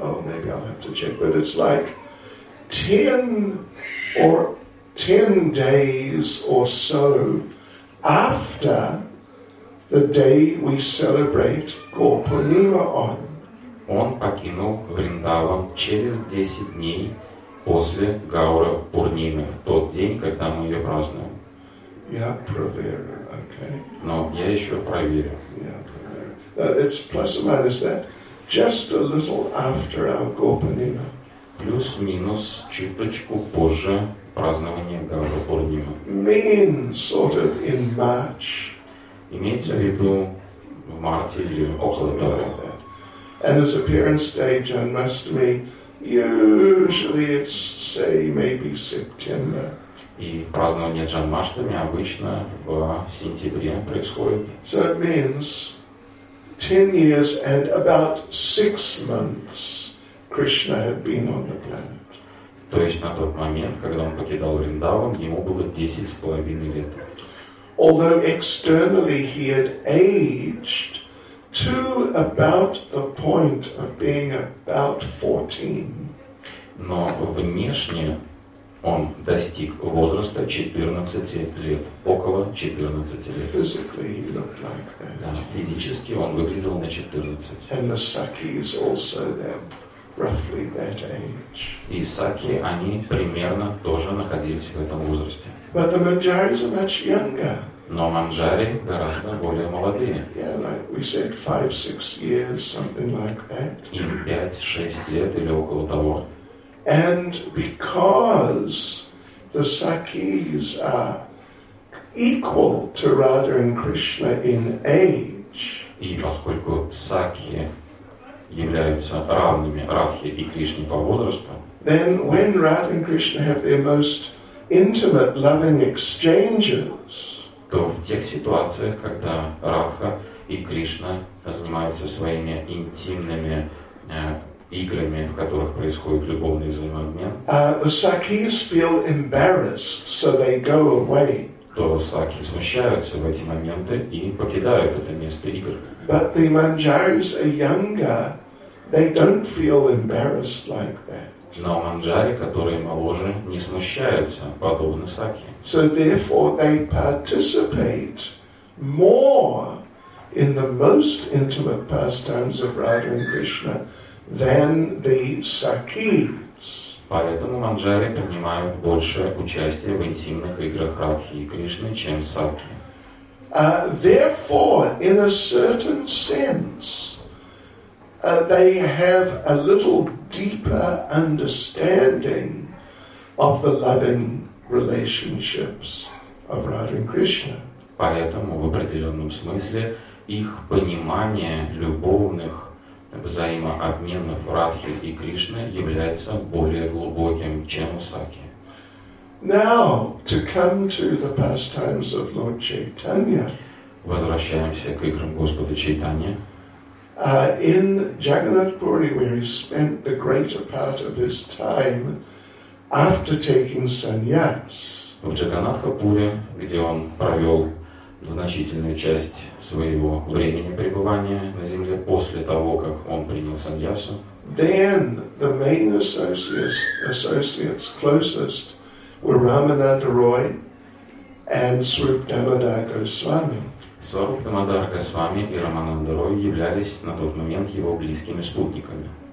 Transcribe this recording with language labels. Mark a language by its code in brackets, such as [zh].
[en] Oh, maybe I'll have to check, but it's like 10 days or so after the day we celebrate Gaupurnima on. [ru] Он покинул Вриндаван через 10 дней после Гаура Пурнимы, в тот день, когда мы ее празднуем. [en] Yeah, Pravera, okay. [ru] Но я еще проверю. [en] It's plus or minus that. Just a little after our Gopanima. [ru] Плюс-минус чуточку позже празднования Гаура-Пурнима. [en] Mean sort of in March. [ru] Имеется в виду в марте или около того. [en] And as appearance stage, I must mean, usually it's, say, maybe September. [ru] И празднование Джанмаштами обычно в сентябре происходит. [en] So it means 10 years and about 6 months Krishna had been on the planet. [ru] То есть на тот момент, когда он покидал Вриндаван, ему было 10.5 лет. [en] Although externally he had aged to about the point of being about 14. [ru] Но внешне он достиг возраста 14 лет, около 14 лет. [en] Physically he looked like that. [ru] Да, физически он выглядел на 14. [en] And the Sakis also then, roughly that age. [ru] И Саки, они примерно тоже находились в этом возрасте. [en] But the Manjaris are much younger. [ru] Но Манджари гораздо более молодые. [en] Yeah, like we said, 5-6 years, something like that. [ru] Им 5-6 лет или около того. [en] And because the Sakis are equal to Radha and Krishna in age. [ru] И поскольку Саки являются равными Радхе и Кришне по возрасту. [en] Then when Radha and Krishna have their most intimate loving exchanges. [ru] То в тех ситуациях, когда Радха и Кришна занимаются своими интимными играми, в которых происходит любовный взаимообмен, [en] The Sakis feel embarrassed, so they go away. [ru] То Саки смущаются в эти моменты и покидают это место игр. [en] But the Manjaris are younger, they don't feel embarrassed like that. [ru] Но манджари, которые моложе, не смущаются, подобно Саки. [en] So therefore they participate more in the most intimate pastimes of Radha and Krishna than the Sakis. [ru] Поэтому манджари принимают больше участия в интимных играх Радхи и Кришны, чем Саки. [en] Therefore, in a certain sense, they have a little deeper understanding of the loving relationships of Radha and Krishna. [ru] Поэтому в определенном смысле их понимание любовных взаимообменов Радхи и Кришны является более глубоким, чем у Саки. [en] Now to come to the pastimes of Lord Chaitanya. [ru] Возвращаемся к играм Господа Чайтанья. [en] In Jagannath Puri, where he spent the greater part of his time after taking sannyas. [ru] В Джаганатхапуре, где он провел значительную часть своего времени пребывания на земле после того, как он принял саньясу. [en] Then the main associates closest were Ramananda Roy and Swarup Damodar Goswami. [ru] Сваруп Дамодар Госвами и Рамананда Рой являлись на тот момент его близкими спутниками.